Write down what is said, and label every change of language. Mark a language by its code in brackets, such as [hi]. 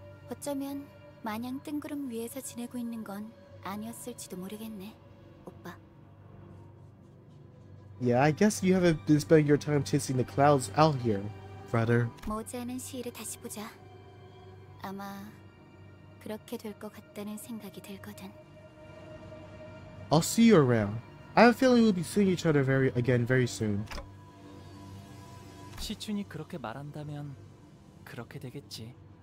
[ko] 어쩌면 마냥 뜬구름 위에서 지내고 있는 건 아니었을지도 모르겠네, 오빠. [en] Yeah, I guess you haven't been spending your time chasing the clouds out here, brother. [ko] 모자는 시일에 다시 보자. 아마 그렇게 될 것 같다는 생각이 들거든. [en] I'll see you around. I have a feeling we'll be seeing each other very soon. [ko] 시춘이 그렇게 말한다면 그렇게 되겠지.